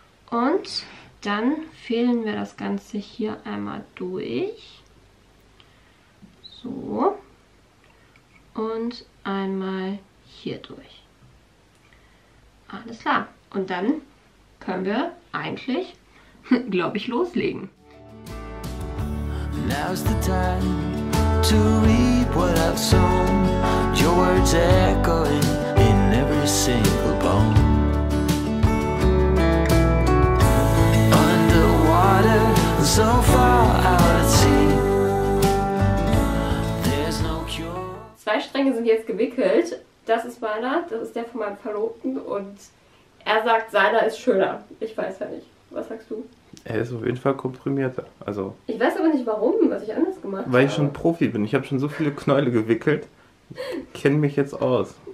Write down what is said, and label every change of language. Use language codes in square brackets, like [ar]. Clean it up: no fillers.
[de] Und dann fädeln wir das Ganze hier einmal durch. So. Und einmal hier durch. Alles klar. Und dann können wir eigentlich, glaube ich, loslegen. [en] Now's the time to reap what I've sown. Your words echoing in every single bone. Underwater, so far out at sea. There's no cure. [de] Zwei Stränge sind jetzt gewickelt. Das ist meiner, das ist der von meinem Verlobten und er sagt, seiner ist schöner. Ich weiß ja nicht. Was sagst du? Er ist auf jeden Fall komprimierter. Also, ich weiß aber nicht warum, was ich anders gemacht habe. Weil ich schon Profi bin. Ich habe schon so viele Knäule gewickelt. Ich kenne mich jetzt aus.